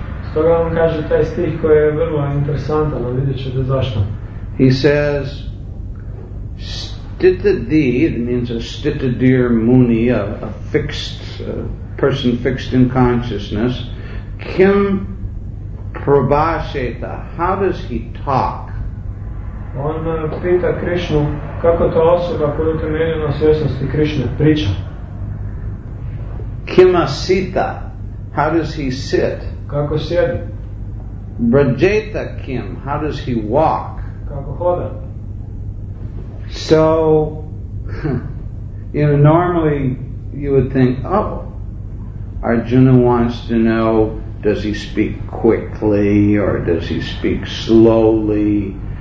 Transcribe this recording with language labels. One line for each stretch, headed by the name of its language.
Croatian: Stoga vam kaže taj stih koji je vrlo interesantan, ali vidjet ćete zašto.
English: He says, stitadi, it means a
Sanskrit: stitadir muni,
English: a fixed, a person fixed in consciousness,
Sanskrit: kim prabhasheta,
English: how does he talk?
Croatian: On pita Krishnu kako ta osoba koja je utemeljena svjesnosti Krishne priča.
Sanskrit: Kimasita,
English: how does he sit?
Croatian: Kako sjedi?
Sanskrit: Brajeta kim,
English: how does he walk?
Croatian: Kako hoda?
English: So, you know, normally you would think, oh, Arjuna wants to know, does he speak quickly or does he speak slowly?